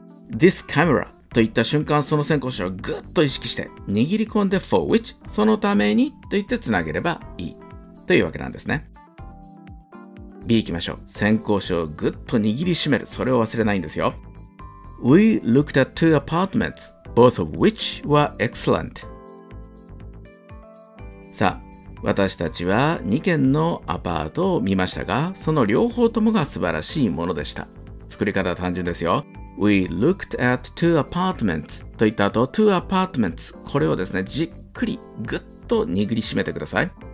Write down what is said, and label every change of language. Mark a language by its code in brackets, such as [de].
[en] This camera [ja] といった瞬間、その先行詞をぐっと意識して握り込んで [en] for which、 [ja] そのためにと言ってつなげればいいというわけなんですね。B 行きましょう。先行詞をぐっと握りしめる、それを忘れないんですよ。 [en] We looked at two apartments, both of which were excellent。 [ja] さあ、私たちは2軒のアパートを見ましたが、その両方ともが素晴らしいものでした。作り方は単純ですよ。 [en] We looked at two apartments [ja] と言った後、 [en] two apartments、 [ja] これをですね、じっくりぐっと握りしめてください。